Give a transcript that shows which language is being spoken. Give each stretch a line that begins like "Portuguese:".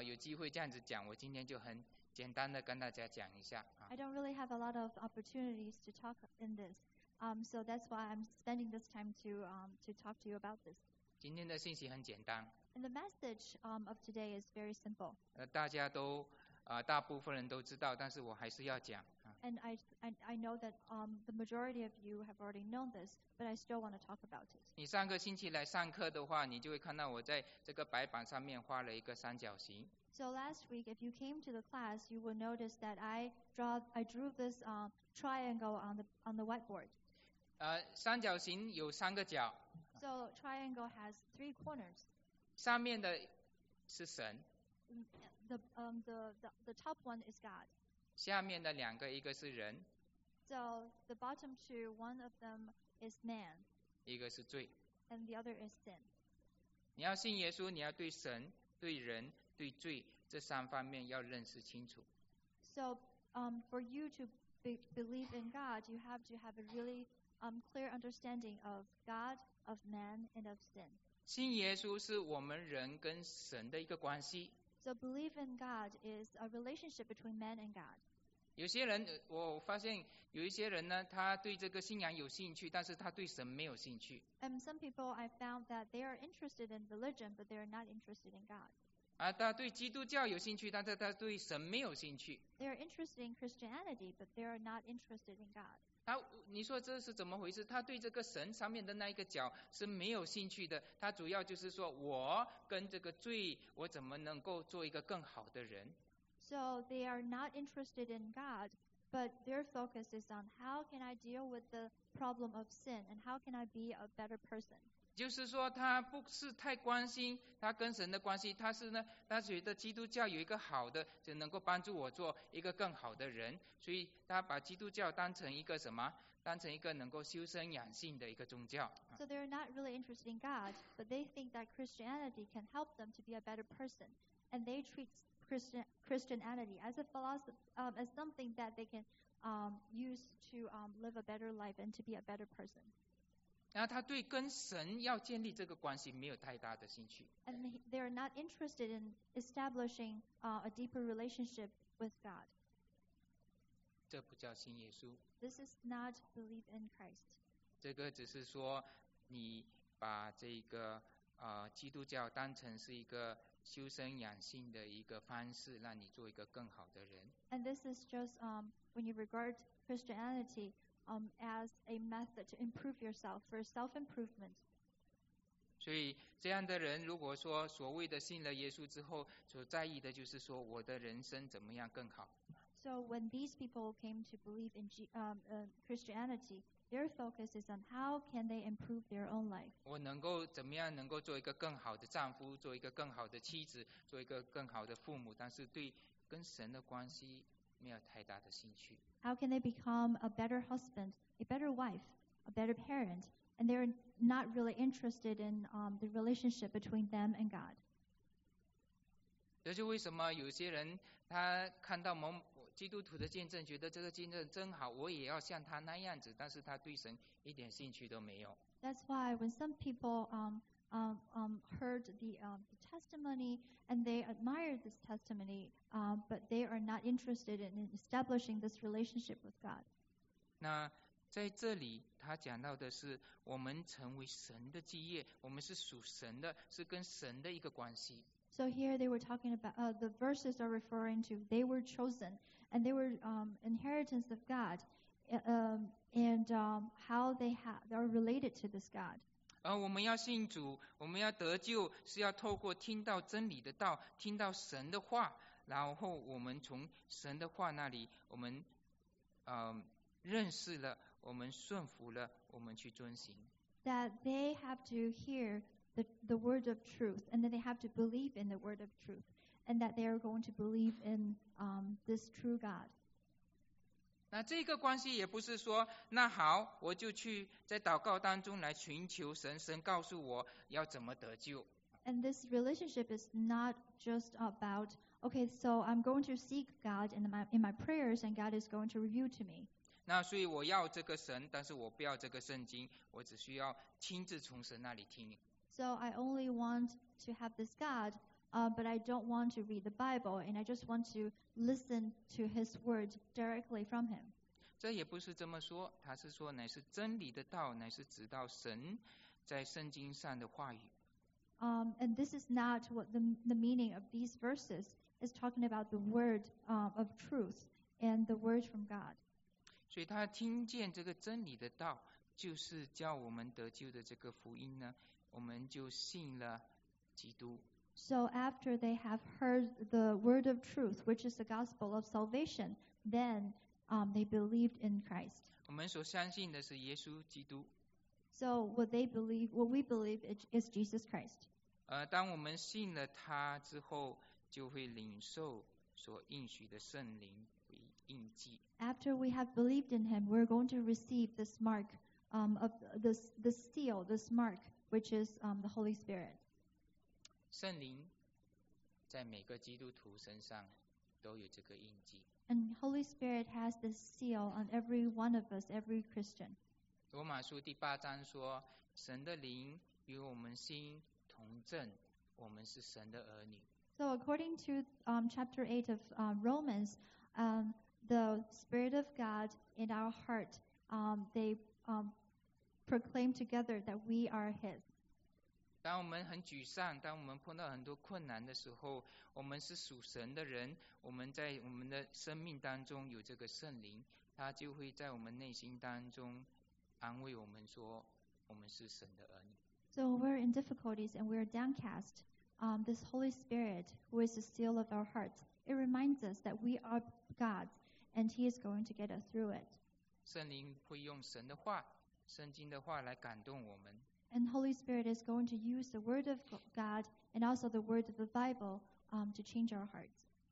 Chinese: 我很少有机会这样子讲，我今天就很 简单的跟大家讲一下。
English: I don't really have a lot of opportunities to talk in this, so that's why I'm spending this time to talk to you about this.
Chinese: 今天的信息很简单。
English: And the message of today is very simple.
Chinese: 大家都大部分人都知道，但是我还是要讲。
English: And I know that the majority of you have already known this, but I still want to talk about it.
Chinese: 你上个星期来上课的话，你就会看到我在这个白板上面画了一个三角形。
English: So last week, if you came to the class, you would notice that I drew this triangle on the whiteboard.
Chinese: 三角形有三个角.
English: So triangle has three corners.
Chinese: 上面的是神.
English: The top one is God.
Chinese: 下面的两个，一个是人.
English: So the bottom two, one of them is man.
Chinese: 一个是罪.
English: And the other is sin.
Chinese: 你要信耶稣，你要对神、对人。对罪这三方面要认识清楚。
English: So for you to believe in God, you have to have a really clear understanding of God, of man, and of sin.
Chinese: 信耶稣是我们人跟神的一个关系。
English: So believe in God is a relationship between man and God.
Chinese: 有些人，我发现有一些人呢，他对这个信仰有兴趣，但是他对神没有兴趣。
English: And some people I found that they are interested in religion, but they are not interested in God.
Chinese: 他对基督教有兴趣，但是他对神没有兴趣。
English: They are interested in Christianity, but they are not interested in God.
Chinese: 他你说这是怎么回事？他对这个神上面的那一个脚是没有兴趣的，他主要就是说我跟这个罪，我怎么能够做一个更好的人。
English: So they are not interested in God, but their focus is on how can I deal with the problem of sin and how can I be a better person。
Chinese: 就是说他不是太关心他跟神的关系，他是呢，他觉得基督教有一个好的，就能够帮助我做一个更好的人，所以他把基督教当成一个什么，当成一个能够修身养性的一个宗教。
English: So they are not really interested in God, but they think that Christianity can help them to be a better person, and they treat Christianity as a philosophy, as something that they can use to live a better life and to be a better person.
Chinese: 然后他对跟神要建立这个关系没有太大的兴趣。
English: And they are not interested in establishing a deeper relationship with God.
Chinese: 这不叫信耶稣。
English: This is not believe in Christ.
Chinese: 这个只是说你把这个基督教当成是一个修身养性的一个方式，让你做一个更好的人。
English: And this is just when you regard Christianity. As a method to improve yourself for self-improvement.
Chinese: 所以这样的人如果说所谓的信了耶稣之后所在意的就是说我的人生怎么样更好。
English: So when these people came to believe in Christianity, their focus is on how can they improve their own life.
Chinese: 我能够怎么样能够做一个更好的丈夫，做一个更好的妻子，做一个更好的父母，但是对跟神的关系没有太大的兴趣。
English: How can they become a better husband, a better wife, a better parent? And they're not really interested in the relationship between them and God.
Chinese: 这就为什么有些人他看到某基督徒的见证，觉得这个见证真好，我也要像他那样子，但是他对神一点兴趣都没有。
English: That's why when some people heard the testimony and they admired this testimony, but they are not interested in establishing this relationship with God.
Chinese: 那在这里他讲到的是我们成为神的基业，我们是属神的，是跟神的一个关系。
English: So here they were talking about, the verses are referring to they were chosen and they were inheritance of God, how they are related to this God.
Chinese: 而我们要信主，我们要得救，是要透过听到真理的道，听到神的话，然后我们从神的话那里，我们认识了，我们顺服了，我们去遵行。
English: That they have to hear the word of truth, and that they have to believe in the word of truth, and that they are going to believe in this true God.
Chinese: 那这个关系也不是说那好我就去在祷告当中来寻求神，神告诉我要怎么得救。
English: And this relationship is not just about okay, so I'm going to seek God in my prayers and God is going to reveal to me.
Chinese: 那所以我要这个神，但是我不要这个圣经，我只需要亲自从神那里听。
English: So I only want to have this God, but I don't want to read the Bible, and I just want to listen to his word directly from him.
Chinese: 这也不是这么说，他是说乃是真理的道，乃是直到神在圣经上的话语。
English: And this is not what the meaning of these verses is talking about the word of truth and the word from God.
Chinese: 所以他听见这个真理的道，就是叫我们得救的这个福音呢，我们就信了基督。
English: So after they have heard the word of truth, which is the gospel of salvation, then they believed in Christ.
Chinese: 我们所相信的是耶稣基督。
English: So what they believe, what we believe is Jesus Christ.
Chinese: 当我们信了他之后，就会领受所应许的圣灵为印记。
English: After we have believed in him, we're going to receive this mark, of this seal, this mark, which is the Holy Spirit.
Chinese: 圣灵在每个基督徒身上都有这个印记。
English: And Holy Spirit has this seal on every one of us, every Christian.
Chinese: 罗马书第八章说，神的灵与我们心同证，我们是神的儿女。
English: So according to chapter 8 of Romans, the Spirit of God in our heart, they proclaim together that we are His.
Chinese: 当我们很沮丧，当我们碰到很多困难的时候，我们是属神的人，我们在我们的生命当中有这个圣灵，他就会在我们内心当中安慰我们说我们是神的儿女。
English: So when we're in difficulties and we're downcast, this Holy Spirit, who is the seal of our hearts, it reminds us that we are God's and He is going to get us through it.
Chinese: 圣灵会用神的话、圣经的话来感动我们。
English: And Holy Spirit is going to use the word of God and also the word of the Bible, to change our hearts.